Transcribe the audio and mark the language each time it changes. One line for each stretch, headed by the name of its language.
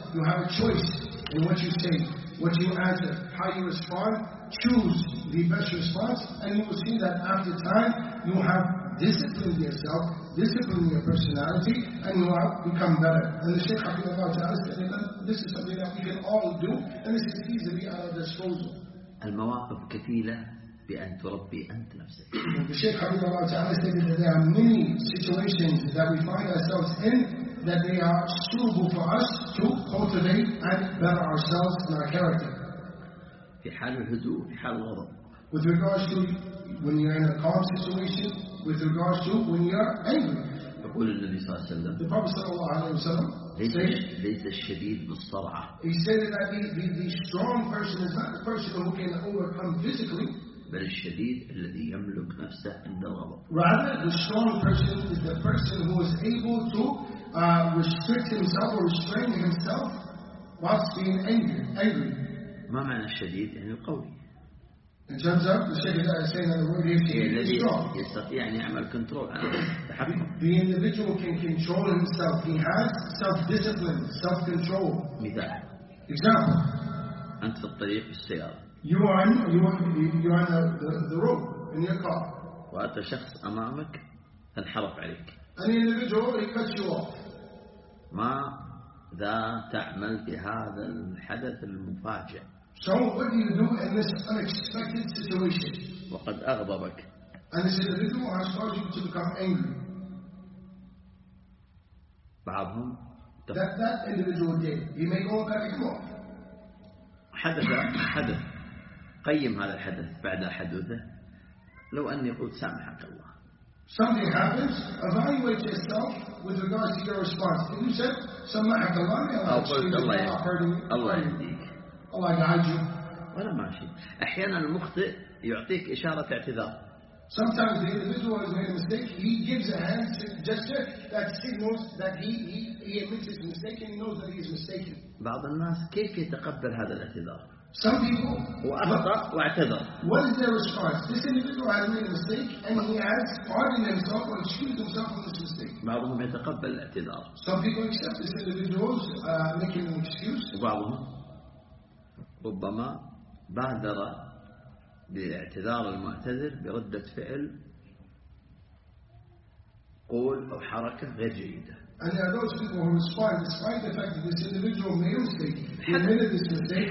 English: You have a choice in what you say, what you answer, how you respond. Choose the best response, and you will see that after time, you have disciplined yourself, disciplined your personality, and you have become better. And the Shaykh Habibullah Ta'ala stated that this is something that we can all do, and this is easily at our disposal.
Arabic: المواقف كثيرة بأن تربي أنت نفسك.
English: The Shaykh Habibullah Ta'ala stated that there are many situations that we find ourselves in that they are suitable for us to cultivate and better ourselves and our character.
Arabic: في حال الهدوء في حال الغضب.
English: With regards to when you're in a calm situation, with regards to when you're angry.
Arabic: يقول النبي صلى الله عليه وسلم.
English: The Prophet صلى الله عليه وسلم.
Arabic: ليس الشديد بالصرعة.
English: He said that the strong person is not the person who can overcome physically.
Arabic: بل الشديد الذي يملك نفسه عند الغضب.
English: Rather, the strong person is the person who is able to restrict himself or restrain himself whilst being angry.
Arabic: ما معنى الشديد؟ يعني القوي.
English: In terms of the Shaykh that is saying that the word is strong.
Arabic: يستطيع أن يعمل كنترول.
English: The individual can control himself. He has self-discipline, self-control.
Arabic: مثال.
English: Example.
Arabic: أنت في الطريق في السيارة.
English: You are on the road in your car.
Arabic: وأتى شخص أمامك انحرف عليك.
English: An individual, he cuts you off.
Arabic: ما ذا تعمل في هذا الحدث المفاجئ؟
English: So what do you do in this unexpected situation?
Arabic: وقد أغضبك.
English: And this individual has caused you to become angry.
Arabic: بعضهم.
English: That individual did. He may go back and forth.
Arabic: حدث. قيم هذا الحدث بعد حدوثه. لو أني قلت سامحك الله.
English: Something happens. Evaluate yourself with regards to your response. If you said
Arabic: سامحك الله,
English: may Allah forgive you for hurting me. Allah
Arabic: يهديك. الله يعالج. ولا ماشي. أحيانا المخطئ يعطيك إشارة اعتذار.
English: Sometimes the individual has made a mistake. He gives a hand gesture that signals that he admits his mistake and knows that he is mistaken.
Arabic: بعض الناس كيف يتقبل هذا الاعتذار؟
English: Some people.
Arabic: وأخطأ واعتذر.
English: What is their response? This individual has made a mistake and he has pardoned himself or excused himself from this mistake.
Arabic: بعضهم يتقبل الاعتذار.
English: Some people accept this individual's making an excuse.
Arabic: وبعضهم. ربما بادر باعتذار المعتذر بردة فعل قول أو حركة غير جيدة.
English: And there are those people who respond despite the fact that this individual made a mistake. He admitted this mistake.